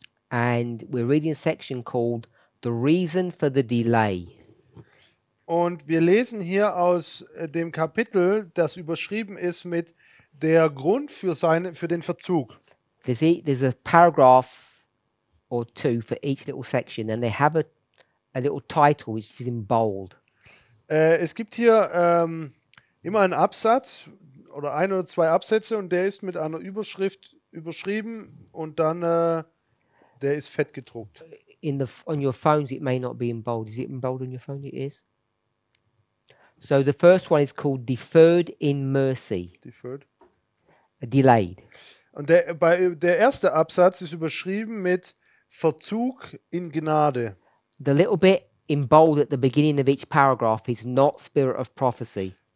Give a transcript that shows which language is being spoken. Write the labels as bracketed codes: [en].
[en] And we're reading a section called The Reason for the Delay. [de] Und wir lesen hier aus dem Kapitel, das überschrieben ist mit Der Grund für den Verzug. [en] There's a paragraph or two for each little section and they have a little title which is in bold. [de] Es gibt hier immer einen Absatz oder ein oder zwei Absätze und der ist mit einer Überschrift überschrieben und dann der ist fett gedruckt. [en] In the on your phones it may not be in bold. Is it in bold on your phone? It is. So the first one is called Deferred in Mercy. Deferred. Delayed. [de] Und der erste Absatz ist überschrieben mit Verzug in Gnade. [en] The little bit in bold at the beginning of each paragraph is not spirit of prophecy.